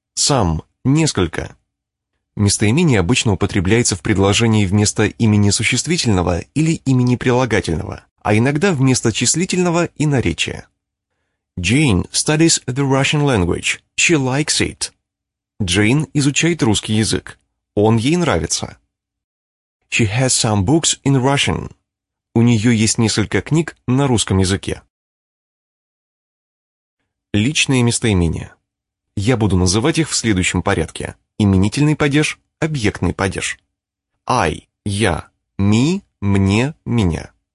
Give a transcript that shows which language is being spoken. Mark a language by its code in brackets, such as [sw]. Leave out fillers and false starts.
[ru] Some – несколько. Местоимение обычно употребляется в предложении вместо имени существительного или имени прилагательного, а иногда вместо числительного и наречия. [en] Jane studies the Russian language. She likes it. [ru] Джейн изучает русский язык. Он ей нравится. [en] She has some books in Russian. [ru] У нее есть несколько книг на русском языке. Личные местоимения. Я буду называть их в следующем порядке. Именительный падеж, объектный падеж. I – я, me – мне, меня.